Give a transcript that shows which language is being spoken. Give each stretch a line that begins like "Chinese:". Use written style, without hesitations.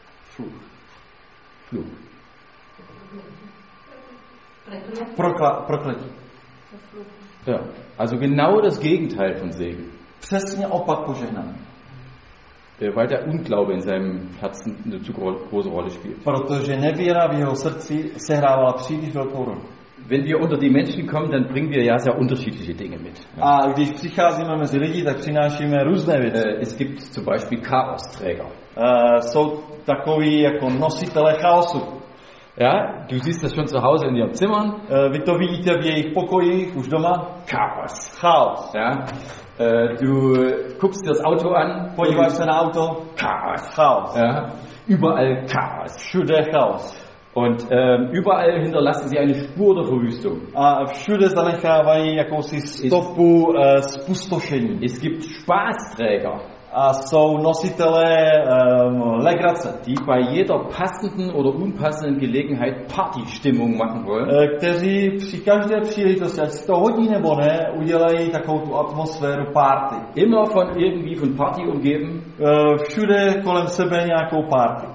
German: Fluch.
Czech: Prokletí.
German: Ja, also genau das Gegenteil von Segen.
Czech: Přesně opak požehnání.
German: Weil der Unglaube in seinem Herzen eine zu große Rolle spielt.
Czech: Protože nevěra v jeho srdci sehrávala příliš velkou roli.
German: Wenn wir unter die Menschen kommen, dann bringen wir ja sehr unterschiedliche Dinge mit.
Czech: A když přicházíme mezi lidi, tak přinášíme různé věci.
German: Es gibt zum Beispiel Chaosträger.
Czech: Jsou takový jako nositelé chaosu.
German: Ja, du siehst das schon zu Hause in ihren Zimmern.
Czech: Vy to vidíte v jejich pokojích už doma.
German: Chaos.
Czech: Chaos.
German: Ja. Du guckst dir das Auto an.
Czech: Podíváš se na Auto.
German: Chaos.
Czech: Chaos.
German: Ja. Überall Chaos.
Czech: Všude Chaos.
German: Und überall hinterlassen sie eine Spur der Verwüstung.
Czech: A všude zanechávají jakousi stopu zpustošení.
German: Es gibt Spaßträger.
Czech: A jsou nositelé legrace,
German: die bei jeder passenden oder unpassenden Gelegenheit Partystimmung machen wollen.
Czech: Kteří při každé příležitosti, ať si to hodí nebo ne, udělají takovou tu atmosféru party.
German: Immer von irgendwie von Party umgeben.
Czech: Všude kolem sebe nějakou party.